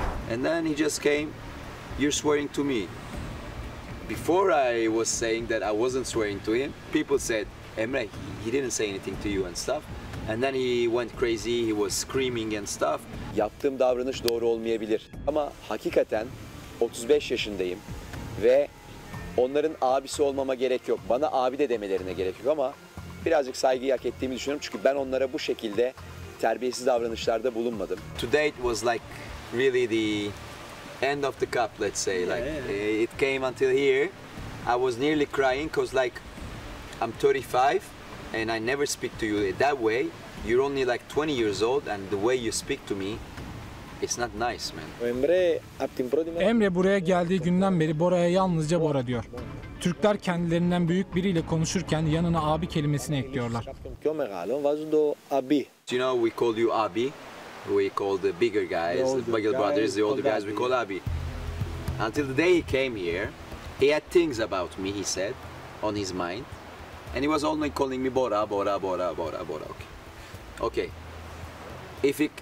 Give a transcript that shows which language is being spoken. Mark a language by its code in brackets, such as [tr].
[en] And then he just came, you're swearing to me. Before I was saying that I wasn't swearing to him, people said, Emre, he didn't say anything to you and stuff. And then he went crazy, he was screaming and stuff. [tr] Yaptığım davranış doğru olmayabilir. Ama hakikaten 35 yaşındayım ve onların abisi olmama gerek yok. Bana abi de demelerine gerek yok ama birazcık saygı hak ettiğimi düşünüyorum. Çünkü ben onlara bu şekilde terbiyesiz davranışlarda bulunmadım. [en] Today it was like really the end of the cup, let's say, like it came until here. I was nearly crying because, like, I'm 35 and I never speak to you that way. You're only like 20 years old and the way you speak to me, it's not nice, man. [tr] Emre buraya geldiği günden beri Bora'ya yalnızca Bora diyor. Türkler kendilerinden büyük biriyle konuşurken yanına abi kelimesini ekliyorlar. [en] You know, we call you abi. We call the bigger guys, the Bagel brothers, the older guys, we call abi. Until the day he came here, he had things about me, he said, on his mind. And he was only calling me Bora, Bora, Bora, Bora, Bora, okay. Okay.